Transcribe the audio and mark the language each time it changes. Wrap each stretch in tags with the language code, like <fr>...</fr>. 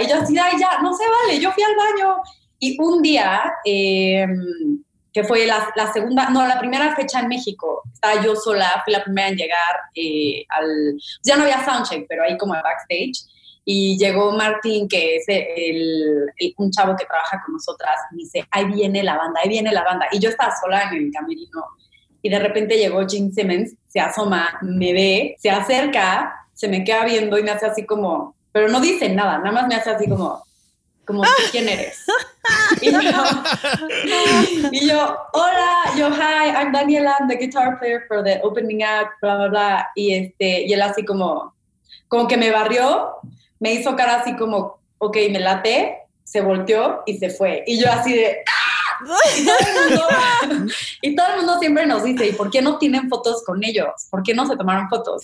<es>Y yo así, ay, ya, no se vale, yo fui al baño. Y un día, que fue la primera fecha en México, estaba yo sola, fui la primera en llegar ya no había soundcheck, pero ahí como backstage, y llegó Martín, que es un chavo que trabaja con nosotras, y me dice, ahí viene la banda, y yo estaba sola en el camerino, y de repente llegó Gene Simmons, se asoma, me ve, se acerca, se me queda viendo y me hace así como, pero no dice nada, nada más me hace así como, ¿quién eres? Y yo, hola, yo,</es> <en>hi, I'm Daniela, I'm the guitar player for the opening act,</en> <es>bla, bla, bla. Y él así como que me barrió, me hizo cara así como, ok, me late, se volteó y se fue. Y yo así de, ¡ah! Y todo el mundo siempre nos dice, ¿y por qué no tienen fotos con ellos? ¿Por qué no se tomaron fotos?</es>